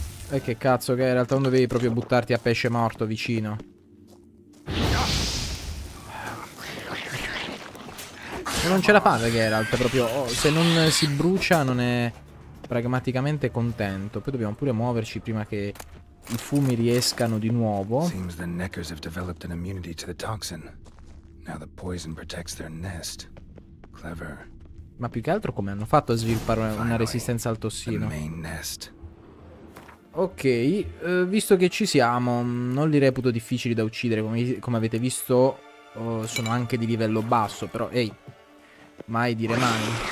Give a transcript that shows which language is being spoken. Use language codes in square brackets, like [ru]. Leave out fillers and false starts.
[it] E che cazzo che è? In realtà non dovevi proprio buttarti a pesce morto vicino. Non ce la fa Geralt proprio. Oh, se non si brucia non è pragmaticamente contento. Poi dobbiamo pure muoverci prima che i fumi riescano di nuovo. [en] Seems the Neckers have developed an immunity to the toxin. Now the poison protects their nest. Clever. [it] Ma più che altro come hanno fatto a sviluppare una resistenza al tossino? [en] The main nest. [it] Ok, visto che ci siamo, non li reputo difficili da uccidere, come avete visto sono anche di livello basso, però ehi, mai dire mai.